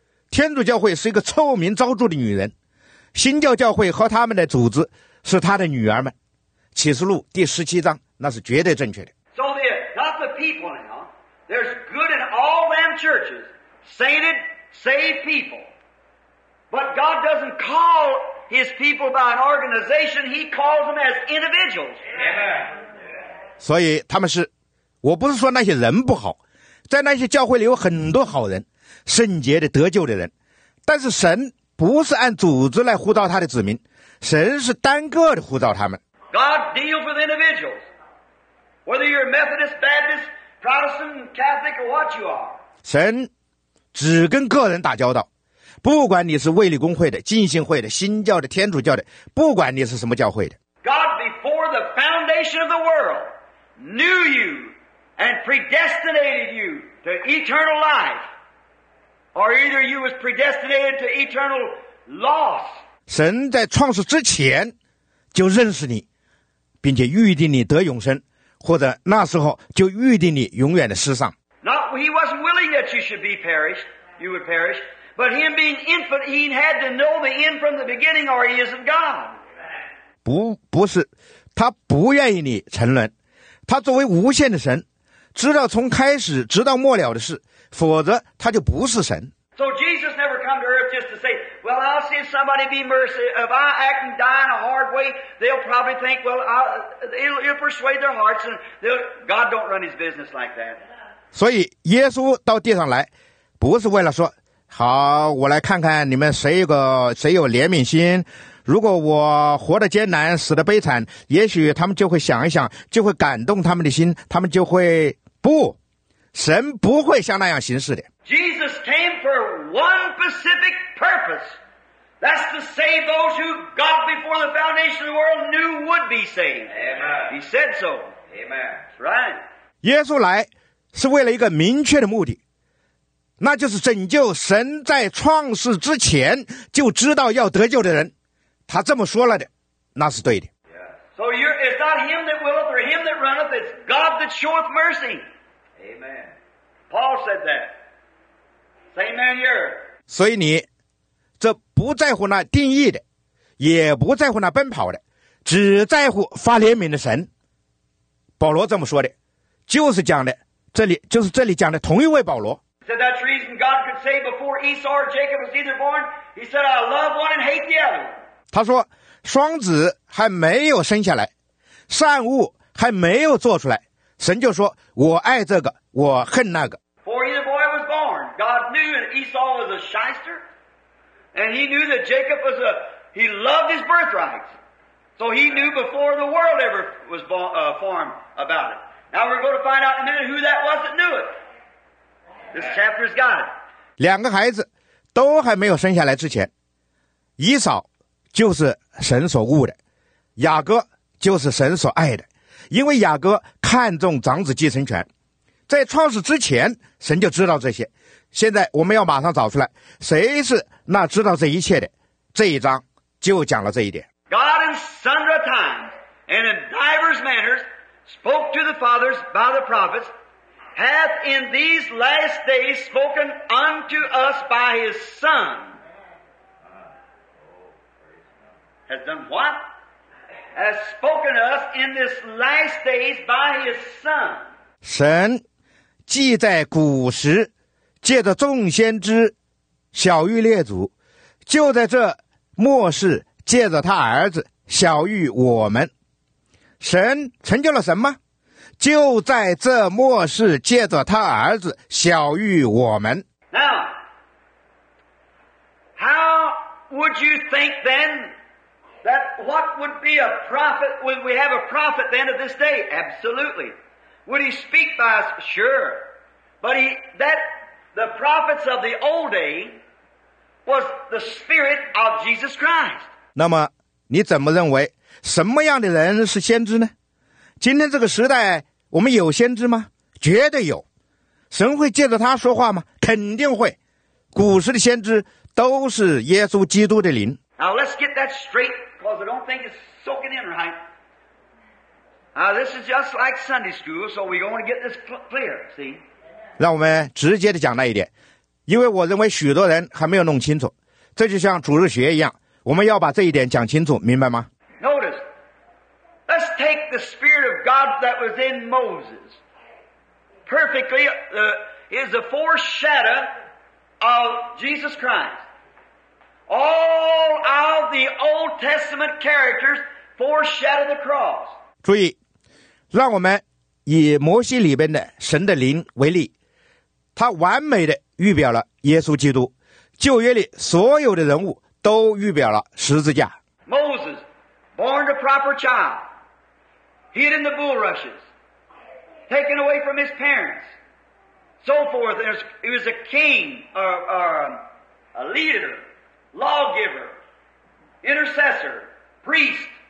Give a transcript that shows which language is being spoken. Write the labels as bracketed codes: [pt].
[zh] 天主教会是一个臭名昭著的女人，新教教会和他们的组织是她的女儿们。启示录第十七章，那是绝对正确的。 [en] So there, not the people now. There's good in all them churches, sainted, saved people. But God doesn't call His people by an organization; He calls them as individuals. Amen. [zh] 所以他们是，我不是说那些人不好，在那些教会里有很多好人。圣洁的得救的人，但是神不是按组织来呼召他的子民，神是单个的呼召他们。 [en] God deals with individuals, whether you're Methodist, Baptist, Protestant, Catholic, or what you are. [zh] 神只跟个人打交道，不管你是卫理公会的、浸信会的、新教的、天主教的，不管你是什么教会的。 [en] God before the foundation of the world knew you and predestinated you to eternal life. Or either you was predestinated to eternal loss. [zh] 神在创世之前就认识你，并且预定你得永生，或者那时候就预定你永远的失丧。 [en] Not he wasn't willing that you should be perished, you would perish. But him being infant, he had to know the end from the beginning, or he isn't God. [zh] 不是，他不愿意你沉沦。他作为无限的神，知道从开始直到末了的事。否则他就不是神。 [en] So Jesus never come to earth just to say, well, I'll see somebody be mercy. If I act and die in a hard way, they'll probably think, well, it'll persuade their hearts. And God don't run his business like that. [zh] 所以耶稣到地上来不是为了说，好，我来看看你们谁有怜悯心。如果我活得艰难，死得悲惨，也许他们就会想一想，就会感动他们的心，他们就会不。神不会像那样行事的。 [en] Jesus came for one specific purpose. That's to save those who God before the foundation of the world knew would be saved. Amen. He said so. Amen. Right. [zh] 耶稣来是为了一个明确的目的，那就是拯救神在创世之前就知道要得救的人。他这么说了的，那是对的。 [en] Yeah. So it's not him that willeth or him that runneth, it's God that showeth mercy. Amen. Paul said that. Same man here. [zh] 所以你这不在乎那定义的，也不在乎那奔跑的，只在乎发怜悯的神。保罗这么说的，就是讲的这里，就是这里讲的同一位保罗。 [en] So that's the reason God could say before Esau or Jacob was either born, He said, "I love one and hate the other." [zh] 他说，双子还没有生下来，善恶还没有做出来，神就说，我爱这个，我恨那个。 [en] Before either boy was born, God knew that Esau was a shyster, and He knew that Jacob was a he loved his birthright. So He knew before the world ever was formed about it. Now we're going to find out in a minute who that was that knew it. This chapter's got it. [zh] 两个孩子都还没有生下来之前，以扫就是神所悟的，雅各就是神所爱的，因为雅各看重长子继承权。在创始之前，神就知道这些。现在我们要马上找出来谁是那知道这一切的。这一章就讲了这一点。 [en] God in sundry times and in divers manners spoke to the fathers by the prophets. Hath in these last days spoken unto us by his son. Has done what? Has spoken us in this last days by his son. [zh] 神既在古时借着众先知晓谕列祖，就在这末世借着他儿子晓谕我们。神成就了什么？就在这末世借着他儿子晓谕我们。 [en] Now how would you think then that what would be a prophet would we have a prophet then of this day? Absolutely. Would he speak by us? Sure. But he that the prophets of the old day was the spirit of Jesus Christ. [zh] 那么你怎么认为什么样的人是先知呢？今天这个时代我们有先知吗？绝对有。神会借着他说话吗？肯定会。古时的先知都是耶稣基督的灵。 [en] Now let's get that straight, because I don't think it's soaking in right. Now this is just like Sunday school, so we're going to get this clear, see? [zh] 让我们直接的讲那一点，因为我认为许多人还没有弄清楚。这就像主日学一样，我们要把这一点讲清楚，明白吗？ [en] Let's take the Spirit of God that was in Moses. Perfectly, is the foreshadow of Jesus Christ. All of the Old Testament characters foreshadow the cross. [zh] 注意，让我们以摩西里边的神的灵为例，他完美的预表了耶稣基督。旧约里所有的人物都预表了十字架。 [en] Moses, born a proper child. Hid in the bulrushes, taken away from his parents, so forth. He was a king, a leader, lawgiver, intercessor, priest.